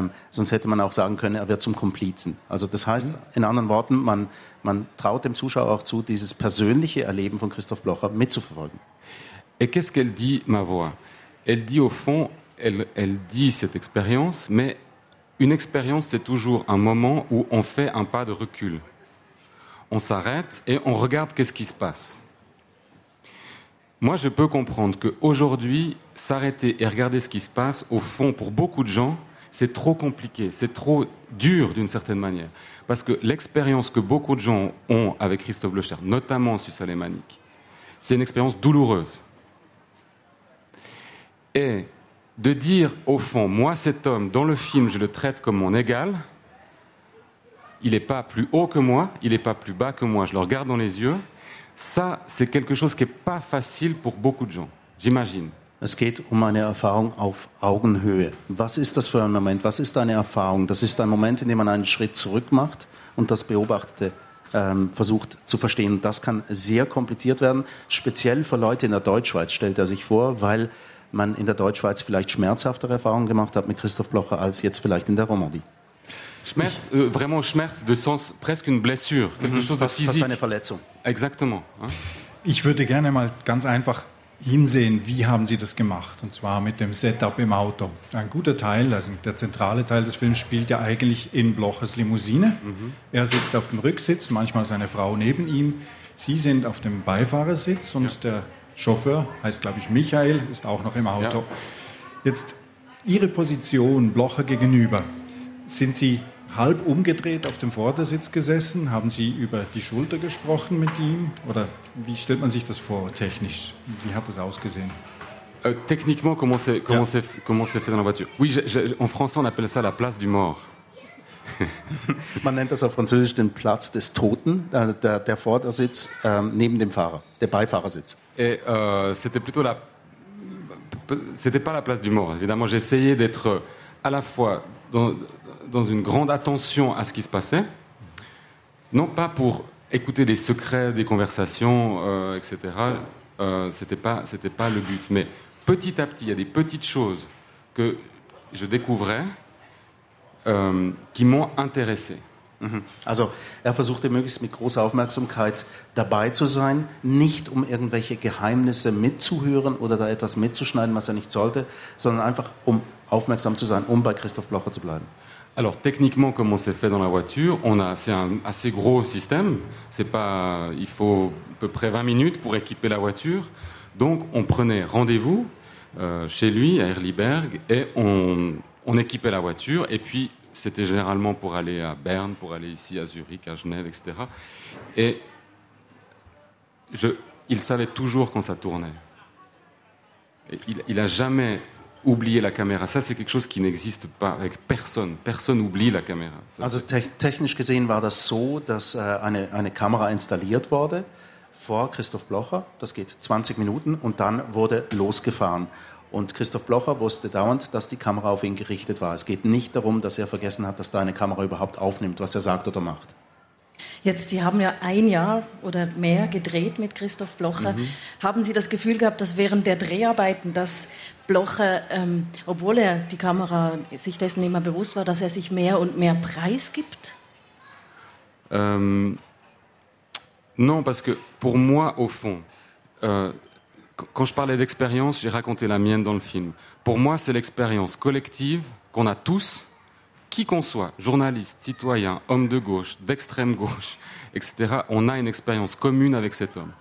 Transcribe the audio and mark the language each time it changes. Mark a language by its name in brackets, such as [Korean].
[German] Sonst hätte man auch sagen können, er wird zum Komplizen. Also das heißt, in anderen Worten, man traut dem Zuschauer auch zu, dieses persönliche Erleben von Christoph Blocher mitzuverfolgen. [French] Et qu'est-ce qu'elle dit, ma voix? Elle dit au fond, elle dit cette expérience, mais une expérience, c'est toujours un moment où on fait un pas de recul. On s'arrête et on regarde qu'est-ce qui se passe. Moi, je peux comprendre qu'aujourd'hui, s'arrêter et regarder ce qui se passe, au fond, pour beaucoup de gens... c'est trop compliqué, c'est trop dur d'une certaine manière. Parce que l'expérience que beaucoup de gens ont avec Christophe Blocher, notamment sur Salémanique, c'est une expérience douloureuse. Et de dire, au fond, moi, cet homme, dans le film, je le traite comme mon égal, il n'est pas plus haut que moi, il n'est pas plus bas que moi, je le regarde dans les yeux, ça, c'est quelque chose qui n'est pas facile pour beaucoup de gens, j'imagine. [German] Es geht um eine Erfahrung auf Augenhöhe. Was ist das für ein Moment? Was ist eine Erfahrung? Das ist ein Moment, in dem man einen Schritt zurück macht und das Beobachtete versucht zu verstehen. Und das kann sehr kompliziert werden, speziell für Leute in der Deutschschweiz, stellt er sich vor, weil man in der Deutschschweiz vielleicht schmerzhaftere Erfahrungen gemacht hat mit Christoph Blocher als jetzt vielleicht in der Romandie. [French] Schmerz, vraiment Schmerz, de sens presque une blessure, quelque chose [German] fast, [French] physique. [German] Fast eine Verletzung. [French] Exactement. [German] Ich würde gerne mal ganz einfach hinsehen, wie haben Sie das gemacht? Und zwar mit dem Setup im Auto. Ein guter Teil, also der zentrale Teil des Films, spielt ja eigentlich in Blochers Limousine. Mhm. Er sitzt auf dem Rücksitz, manchmal seine Frau neben ihm. Sie sind auf dem Beifahrersitz und ja. Der Chauffeur, heißt glaube ich Michael, ist auch noch im Auto. Ja. Jetzt Ihre Position Blocher gegenüber. Sind Sie halb umgedreht auf dem Vordersitz gesessen? Haben Sie über die Schulter gesprochen mit ihm? Oder wie stellt man sich das vor, technisch? Wie hat das ausgesehen? [French] Techniquement, comment c'est fait dans la voiture? Oui, en français, on appelle ça la place du mort. [German] Man nennt das auf Französisch den Platz des Toten, der Vordersitz neben dem Fahrer, der Beifahrersitz. [French] Et c'était plutôt la... c'était pas la place du mort. Évidemment, j'ai essayé d'être à la fois... dans une grande attention à ce qui se passait, non pas pour écouter des secrets, des conversations, etc. C'était pas le but. Mais petit à petit, il y a des petites choses que je découvrais qui m'ont intéressé. [German] Also, er versuchte möglichst mit großer Aufmerksamkeit dabei zu sein, nicht um irgendwelche Geheimnisse mitzuhören oder da etwas mitzuschneiden, was er nicht sollte, sondern einfach um aufmerksam zu sein, um bei Christoph Blocher zu bleiben. [French] Alors techniquement, comment c'est fait dans la voiture? C'est un assez gros système. C'est pas, il faut à peu près 20 minutes pour équiper la voiture. Donc on prenait rendez-vous chez lui à Erliberg et on équipait la voiture. Et puis c'était généralement pour aller à Berne, pour aller ici à Zurich, à Genève, etc. Et il savait toujours quand ça tournait. Il n'a jamais oublié la caméra. Ça, c'est quelque chose qui n'existe pas avec personne. Personne n'oublie la caméra. [German] Ça, also technisch gesehen war das so, dass eine Kamera installiert wurde vor Christoph Blocher. Das geht 20 Minuten und dann wurde losgefahren. Und Christoph Blocher wusste dauernd, dass die Kamera auf ihn gerichtet war. Es geht nicht darum, dass er vergessen hat, dass da eine Kamera überhaupt aufnimmt, was er sagt oder macht. Jetzt, Sie haben ja ein Jahr oder mehr gedreht mit Christoph Blocher. Mhm. Haben Sie das Gefühl gehabt, dass während der Dreharbeiten, dass Blocher, obwohl er die Kamera sich dessen immer bewusst war, dass er sich mehr und mehr preisgibt? [French] Non, parce que pour moi, au fond, quand je parlais d'expérience, j'ai raconté la mienne dans le film. Pour moi, c'est l'expérience collective qu'on a tous, qui qu'on soit, journaliste, citoyen, homme de gauche, d'extrême gauche, etc., on a une expérience commune avec cet homme.